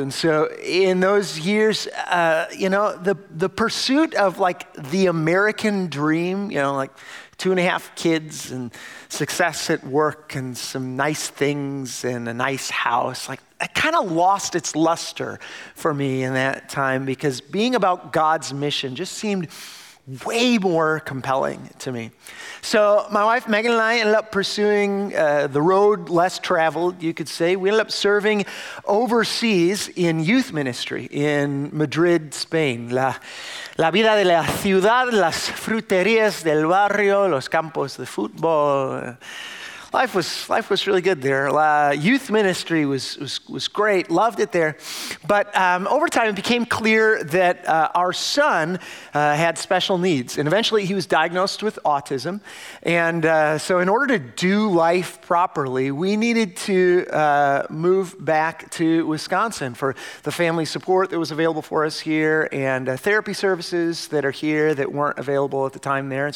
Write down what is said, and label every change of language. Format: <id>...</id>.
<en>And so in those years, the pursuit of like the American dream, you know, like 2.5 kids and success at work and some nice things and a nice house, like it kind of lost its luster for me in that time because being about God's mission just seemed way more compelling to me. So my wife Megan and I ended up pursuing the road less traveled, you could say. We ended up serving overseas in youth ministry in Madrid, Spain.</en> <es>La vida de la ciudad, las fruterías del barrio, los campos de fútbol.</es> <en>Life was really good there. Youth ministry was great. Loved it there, but over time it became clear that our son had special needs, and eventually he was diagnosed with autism. And so, in order to do life properly, we needed to move back to Wisconsin for the family support that was available for us here and therapy services that are here that weren't available at the time there.</en>